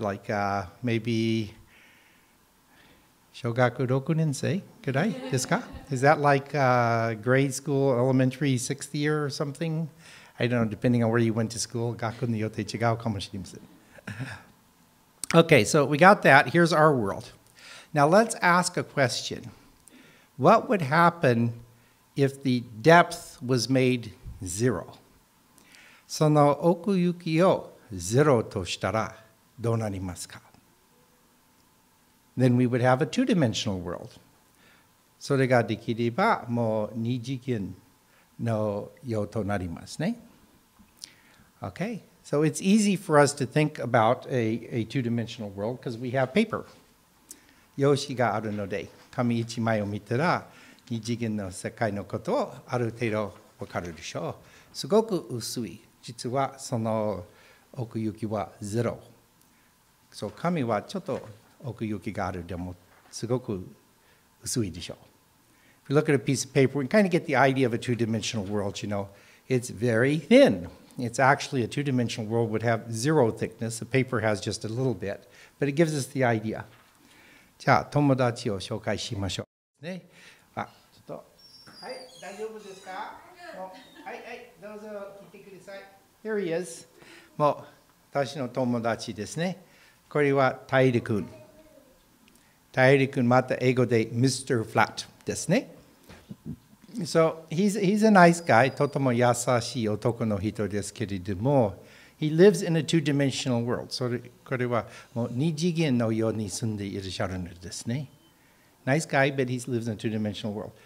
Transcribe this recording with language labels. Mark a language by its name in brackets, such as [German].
[English] Like maybe [Japanese] 小学6年生ぐらいですか？ [English] Is that like grade school, elementary, sixth year or something? I don't know, depending on where you went to school, [Japanese] 学校によって違うかもしれません。 [English] Okay, so we got that. Here's our world. Now let's ask a question. What would happen if the depth was made [Japanese] ゼロ。その奥行きをゼロとしたらどうなりますか？ [English] Then we would have a two-dimensional world. [Japanese] それができればもう二次元のようとなりますね。 [English] Okay, so it's easy for us to think about a two-dimensional world because we have paper. [Japanese] 用紙があるので、紙一枚を見たら二次元の世界のことをある程度わかるでしょう。すごく薄い。実はその奥行きはゼロ。そう、紙はちょっと奥行きがあるでもすごく薄いでしょう。 [English] If you look at a piece of paper, you kind of get the idea of a two-dimensional world, you know. It's very thin. It's actually a two-dimensional world would have zero thickness. The paper has just a little bit. But it gives us the idea. [Japanese] じゃあ、友達を紹介しましょう。ね。大丈夫ですか？はい、はい、どうぞ聞いてください。 [English] Here he is。 [Japanese] もう、私の友達ですね。これは、大陸君。大陸君、また英語で、Mr. [English] Flat [Japanese] ですね。 [English] So, he's a nice guy。 [Japanese] とても優しい男の人ですけれども、 [English] He lives in a two-dimensional world。 [Japanese] それ、これは、もう二次元のように住んでいらっしゃるのですね。 [English] Nice guy, but he lives in a two-dimensional world。